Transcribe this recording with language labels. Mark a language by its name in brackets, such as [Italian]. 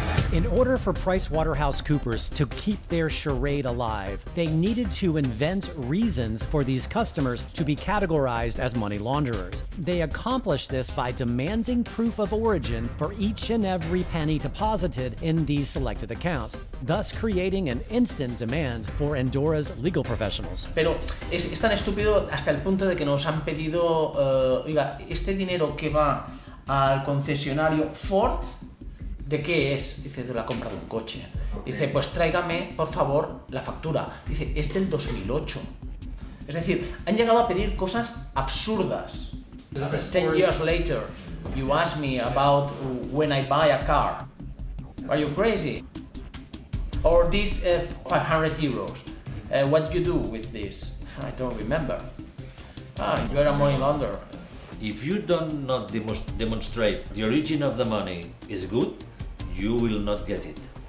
[English] In order for PricewaterhouseCoopers to keep their charade alive, they needed to invent reasons for these customers to be categorized as money launderers. They accomplished this by demanding proof of origin for each and every penny deposited in these selected accounts, thus creating an instant demand for Andorra's legal professionals. [Spanish] Pero es tan estúpido hasta el punto de que nos han pedido, oiga, este dinero que va al concesionario Ford, ¿de qué es? Dice, de la compra de un coche. Okay. Dice, pues tráigame, por favor, la factura. Dice, es del 2008. Es decir, han llegado a pedir cosas absurdas. [English] 10 years later, you ask me about when I buy a car. Are you crazy? Or this 500 euros. What do you do with this? I don't remember. Ah, you are a money launderer. If you do not demonstrate the origin of the money is good, you will not get it.